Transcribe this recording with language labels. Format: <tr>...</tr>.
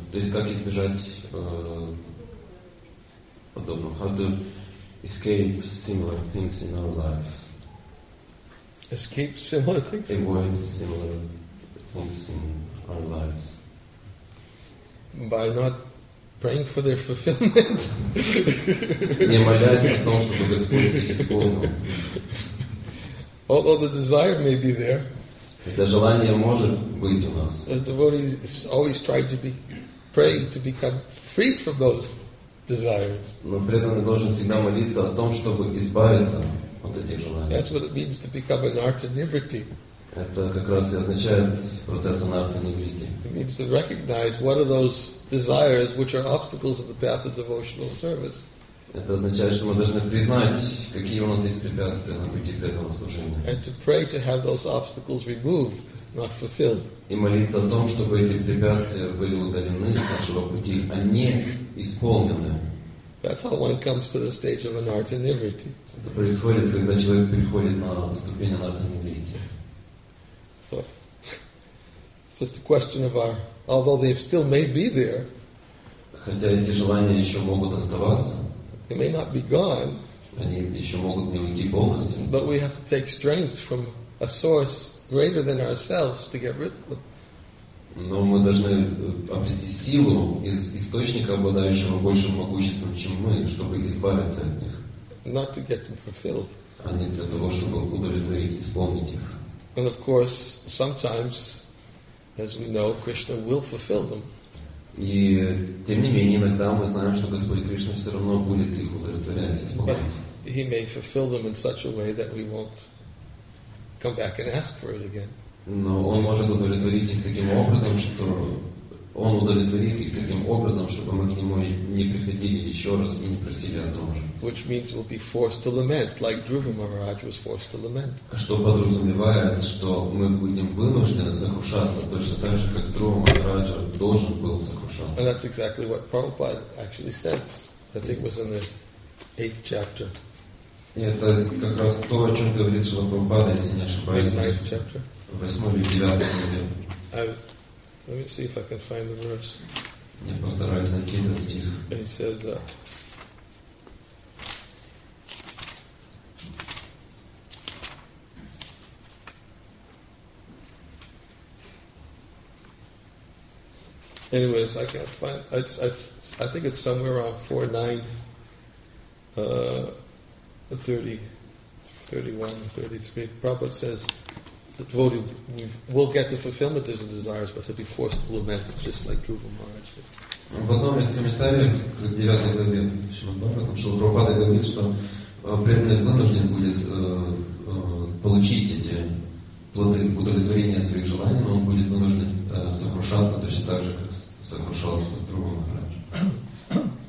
<en>This</en> <ru>как избежать подобного?</ru> <en>How to escape similar things in our life? Escape similar things. Avoid similar things in our lives. By not praying for their fulfillment.</en> <ru>Не молясь о том, чтобы Господь их исполнил.</ru> <en>Although the desire may be there.</en> <ru>Это желание может быть у нас.</ru> <en>The devotee is always trying to be praying to become free from those desires.</en> <ru>Но преданный должен всегда молиться о том, чтобы избавиться от этих желаний.</ru> <en>That's what it means to become an artha-nivritti.</en> <ru>Это как раз и означает процесс анартха-нивритти.</ru> <en>It means to recognize what are those desires which are obstacles of the path of devotional service.</en> <ru>Это означает, что мы должны признать, какие у нас есть препятствия на пути к этому служению.</ru> <en>And to pray to have those obstacles removed, not fulfilled.</en> <ru>И молиться о том, чтобы эти препятствия были удалены с нашего пути, а не исполнены.</ru> <en>That's how one comes to the stage of anartha-nivritti.</en> <ru>Это происходит, когда человек приходит на ступень анартха-нивритти.</ru> <en>So, it's just a question of our, although they still may be there.</en> <ru>Хотя эти желания еще могут оставаться.</ru> <en>They may not be gone.</en> <ru>Они еще могут не уйти полностью.</ru> <en>But we have to take strength from a source greater than ourselves to get rid of them.</en> <ru>Но мы должны обрести силу из источника, обладающего большим могуществом, чем мы, чтобы избавиться от них.</ru> <en>Not to get them fulfilled.</en> <ru>А не для того, чтобы удовлетворить, исполнить их.</ru> <en>And of course, sometimes, as we know, Krishna will fulfill them.</en> <ru>И тем не менее, иногда мы знаем, что Господь Кришна все равно будет их удовлетворять, исполнять.</ru> <en>He may fulfill them in such a way that we won't come back and ask for it again.</en> <ru>Но он может удовлетворить их таким образом, что он удовлетворит их таким образом, чтобы мы к нему не приходили еще раз и не просили о том же.</ru> <en>Which means we'll be forced to lament, like Dhruva Maharaj was forced to lament.</en> <ru>Что подразумевает, что мы будем вынуждены сокрушаться точно так же, как Дхрува Махарадж должен был сокрушаться.</ru> <en>And that's exactly what Prabhupada actually says. I think it was in the 8th chapter.</en> <ru>И это как раз то, о чем говорит Шрила Прабхупада, если не ошибаюсь.</ru> <en>8th chapter. Let me see if I can find the verse.</en> <ru>Я постараюсь найти этот стих.</ru> <en>He says that. Anyways, I can't find. I think it's somewhere around 4:9, 31, 33. Prabhupada says. The devotee will get the fulfillment of his desires, but he'll be forced to lament, just like Dhruva Maharaj.</en> <ru>В одном из комментариев к 9 главе Шримад-Бхагаватам, что Прабхупада говорит, что преданный вынужден будет получить эти плоды удовлетворения своих желаний, но он будет вынужден сокрушаться точно так же, как сокрушался Дхрува Махарадж.</ru>